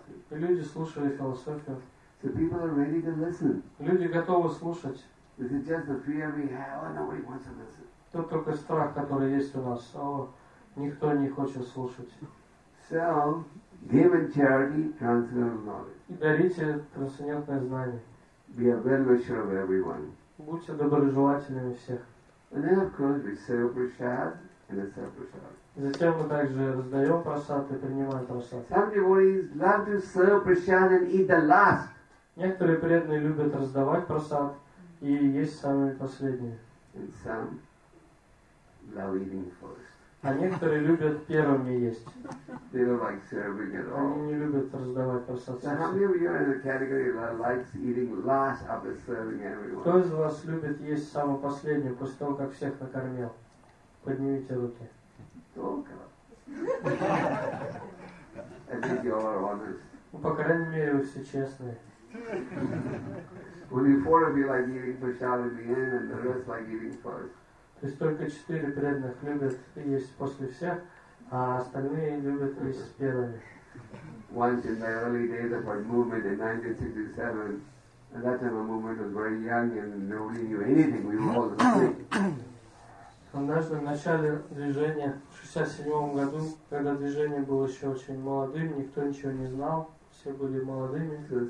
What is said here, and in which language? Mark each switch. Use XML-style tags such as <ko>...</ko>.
<ru>Люди слушали философию. Люди готовы слушать.</ru> <en>Is it just the fear we have, or nobody wants to listen?</en> <ru>Тут только страх, который есть у нас, никто не хочет слушать.</ru> <en>So, give in charity transcendental knowledge.</en> <ru>Дарите трансцендентное знание.</ru> <en>Be a well wisher of everyone.</en> <ru>Будьте доброжелательными всех.</ru> <en>And then, of course, we serve prasad and accept prasad.</en> <ru>Затем мы также раздаем прасад и принимаем прасад.</ru> <en>Some devotees love to serve prasad and eat the last.</en> <ru>Некоторые преданные любят раздавать прасад. И есть самые последние.</ru> <en>And some love eating first.</en> <ru>А некоторые любят первыми есть.</ru> <en>They don't like serving at all.</en> <ru>Они не любят раздавать просад.</ru> <en>So how many of you are in the category that likes eating last after serving everyone?</en> <ru>Кто из вас любит есть самую последнюю после того, как всех накормил? Поднимите руки. Только.</ru> <en>I think you are honest.</en> <ru>Ну, по крайней мере, вы все честные.</ru> <en>Only four of you like eating prasad at the end, and the rest like eating first.</en> <ru>То есть только 4 преданных любят есть после всех, а остальные любят есть с первыми.</ru> <en>Once in my early days of our movement in 1967, at that time our movement was very young and nobody knew anything. We were all asleep.</en> <ru>Однажды в начале движения в 67 году, когда движение было еще очень молодым, никто ничего не знал. Все были молодыми.</ru>